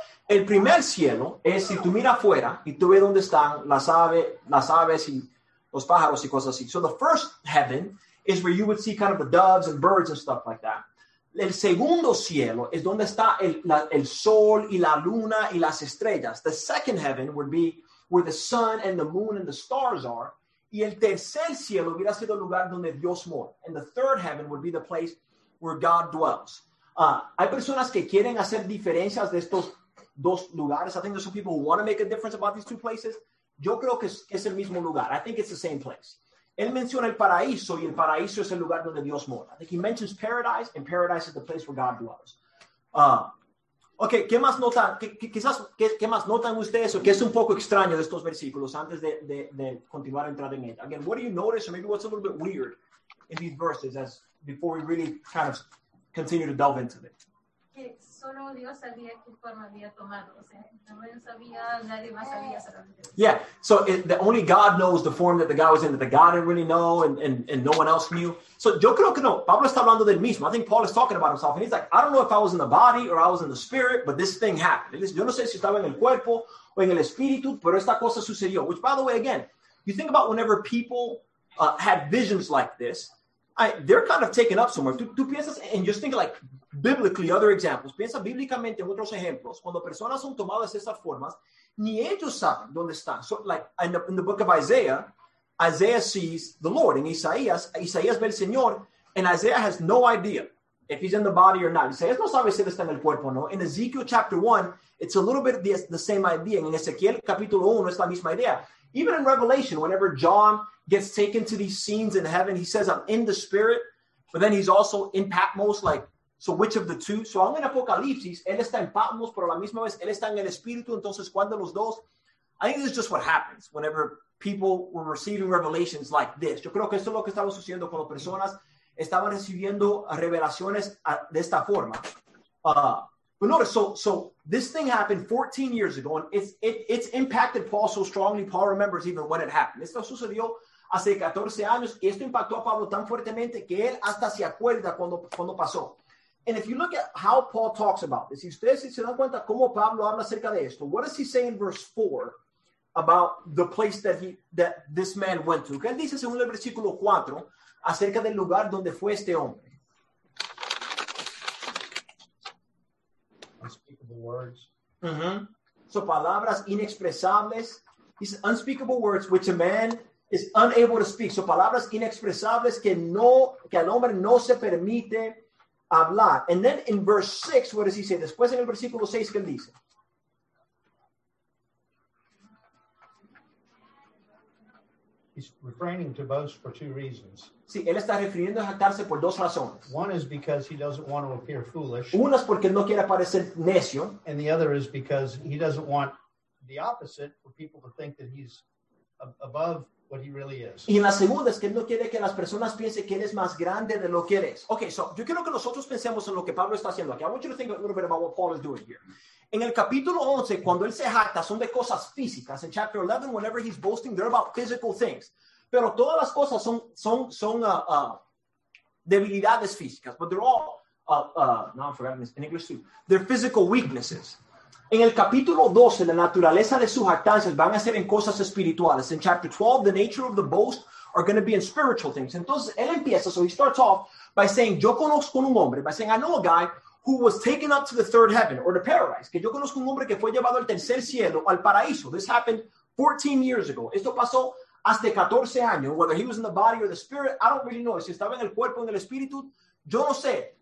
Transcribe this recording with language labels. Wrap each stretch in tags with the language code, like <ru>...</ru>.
<es>El primer cielo es si tú miras afuera y tú ves dónde están las aves y los pájaros y cosas así.</es> <en>So the first heaven is where you would see kind of the doves and birds and stuff like that.</en> <es>El segundo cielo es donde está el sol y la luna y las estrellas.</es> <en>The second heaven would be where the sun and the moon and the stars are.</en> <es>Y el tercer cielo hubiera sido el lugar donde Dios mora.</es> <en>And the third heaven would be the place where God dwells.</en> <es>Hay personas que quieren hacer diferencias de estos dos lugares.</es> <en>I think there's some people who want to make a difference about these two places.</en> <es>Yo creo que es el mismo lugar.</es> <en>I think it's the same place.</en> <es>Él menciona el paraíso y el paraíso es el lugar donde Dios mora.</es> <en>I think he mentions paradise and paradise is the place where God dwells.</en> <es>Okay, ¿qué más notan? ¿Qué más notan ustedes o qué es un poco extraño de estos versículos antes de continuar a entrar en ellos?</es> <en>Again, what do you notice or maybe what's a little bit weird in these verses as before we really kind of continue to delve into it?</en> <es>Que solo Dios sabía qué forma había tomado. O sea, no sabía, nadie más sabía solamente.</es> <en>Yeah, so the only God knows the form that the guy was in, that the God didn't really know and no one else knew.</en> <es>So yo creo que no, Pablo está hablando del mismo.</es> <en>I think Paul is talking about himself. And he's like, I don't know if I was in the body or I was in the spirit, but this thing happened.</en> <es>Yo no sé si estaba en el cuerpo o en el espíritu, pero esta cosa sucedió.</es> <en>Which, by the way, again, you think about whenever people had visions like this, they're kind of taken up somewhere.</en> <es>Tú piensas,</es> <en>and just think like biblically, other examples.</en> <es>Piensa bíblicamente en otros ejemplos. Cuando personas son tomadas de esas formas, ni ellos saben dónde están.</es> <en>So like in the book of Isaiah, Isaiah sees the Lord. In</en> <es>Isaías ve el Señor,</es> <en>and Isaiah has no idea if he's in the body or not.</en> <es>Isaías no sabe si él está en el cuerpo o no.</es> <en>In Ezekiel chapter 1, it's a little bit the same idea. In Ezekiel</en> <es>capítulo 1, es la misma idea.</es> <en>Even in Revelation, whenever John gets taken to these scenes in heaven, he says, I'm in the spirit, but then he's also in Patmos, like, so which of the two? So I'm in</en> <es>Apocalipsis, él está en Patmos, pero a la misma vez, él está en el espíritu, entonces, ¿cuál de los dos?</es> <en>I think this is just what happens whenever people were receiving revelations like this.</en> <es>Yo creo que esto es lo que estaba sucediendo cuando personas estaban recibiendo revelaciones de esta forma.</es> <en>But notice, so this thing happened 14 years ago, and it's impacted Paul so strongly, Paul remembers even when it happened.</en> <es>Esto sucedió hace 14 años, y esto impactó a Pablo tan fuertemente que él hasta se acuerda cuando pasó.</es> <en>And if you look at how Paul talks about this,</en> <es>si ustedes se dan cuenta cómo Pablo habla acerca de esto,</es> <en>what does he say in verse 4 about the place that this man went to?</en> <es>¿Qué dice según el versículo 4 acerca del lugar donde fue este hombre?</es> <en>Unspeakable words. Mm-hmm. So</en> <es>palabras inexpresables.</es> <en>He says unspeakable words which a man is unable to speak.</en> <es>So palabras inexpresables que no, que al hombre no se permite hablar.</es> <en>And then in verse 6, what does he say?</en> <es>Después en el versículo 6, ¿qué dice?</es> <en>He's refraining to boast for two reasons.</en> <es>Sí, él está refiriendo a jactarse por dos razones.</es> <en>One is because he doesn't want to appear foolish.</en> <es>Uno es porque no quiere parecer necio.</es> <en>And the other is because he doesn't want the opposite for people to think that he's above what he really is.</en> <es>Y la segunda es que él no quiere que las personas piensen que él es más grande de lo que él es. Okay, so yo quiero que nosotros pensemos en lo que Pablo está haciendo aquí.</es> <en>I want you to think a little bit about what Paul is doing here.</en> <es>En el capítulo 11, cuando él se jacta, son de cosas físicas.</es> <en>In chapter 11, whenever he's boasting, they're about physical things.</en> <es>Pero todas las cosas son debilidades físicas.</es> <en>But they're all, now I'm forgetting this, in English too. They're physical weaknesses.</en> <es>En el capítulo 12, la naturaleza de sus jactancias van a ser en cosas espirituales.</es> <en>In chapter 12, the nature of the boast are going to be in spiritual things.</en> <es>Entonces, él empieza,</es> <en>so he starts off by saying,</en> <es>yo conozco un hombre,</es> <en>by saying, I know a guy who was taken up to the third heaven, or the paradise.</en> <es>Que yo conozco un hombre que fue llevado al tercer cielo, al paraíso.</es> <en>This happened 14 years ago.</en> <es>Esto pasó hasta 14 años.</es> <en>Whether he was in the body or the spirit, I don't really know.</en> <es>Si estaba en el cuerpo o en el espíritu, yo no sé.</es>